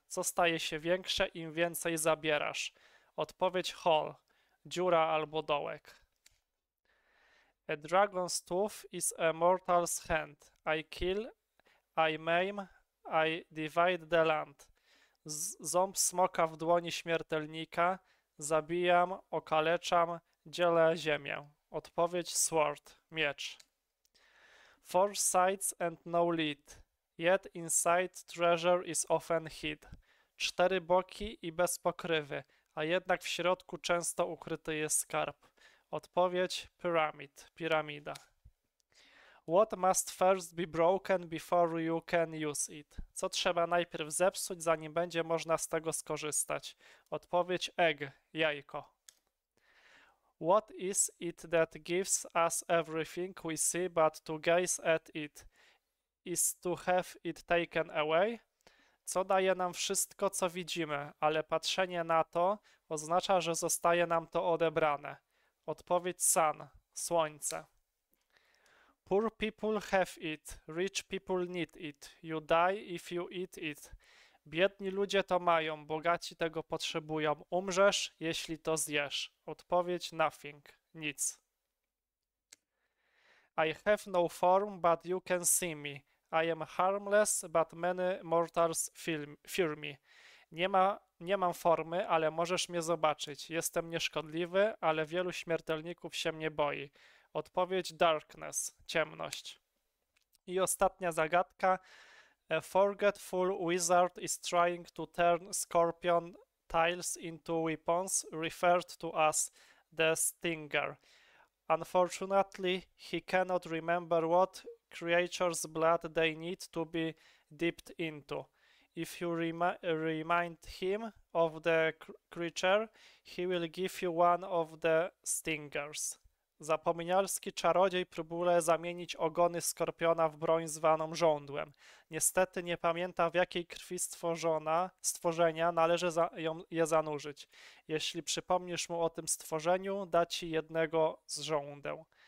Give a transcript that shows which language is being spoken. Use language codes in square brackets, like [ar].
[pl] Co staje się większe, im więcej zabierasz? Odpowiedź: hole, dziura albo dołek. [en] A dragon's tooth is a mortal's hand. I kill, I maim, I divide the land. [pl] Ząb smoka w dłoni śmiertelnika. Zabijam, okaleczam, dzielę ziemię. Odpowiedź: sword, miecz. [en] Four sides and no lead, yet inside treasure is often hid. [pl] Cztery boki i bez pokrywy, a jednak w środku często ukryty jest skarb. Odpowiedź: pyramid, piramida. [en] What must first be broken before you can use it? [pl] Co trzeba najpierw zepsuć, zanim będzie można z tego skorzystać? Odpowiedź: egg, jajko. [en] What is it that gives us everything we see but to gaze at it is to have it taken away? [pl] Co daje nam wszystko, co widzimy, ale patrzenie na to oznacza, że zostaje nam to odebrane. Odpowiedź: sun, słońce. [en] Poor people have it, rich people need it, you die if you eat it. [pl] Biedni ludzie to mają, bogaci tego potrzebują. Umrzesz, jeśli to zjesz. Odpowiedź: nothing, nic. [en] I have no form, but you can see me. I am harmless, but many mortals fear me. [pl] Nie mam formy, ale możesz mnie zobaczyć. Jestem nieszkodliwy, ale wielu śmiertelników się mnie boi. Odpowiedź: darkness, ciemność. I ostatnia zagadka. [en] A forgetful wizard is trying to turn scorpion tiles into weapons, referred to as the stinger. Unfortunately, he cannot remember what creature's blood they need to be dipped into. If you remind him of the creature, he will give you one of the stingers. [pl] Zapomnialski czarodziej próbuje zamienić ogony skorpiona w broń zwaną żądłem. Niestety nie pamięta, w jakiej krwi stworzenia należy je zanurzyć. Jeśli przypomnisz mu o tym stworzeniu, da ci jednego z żądeł.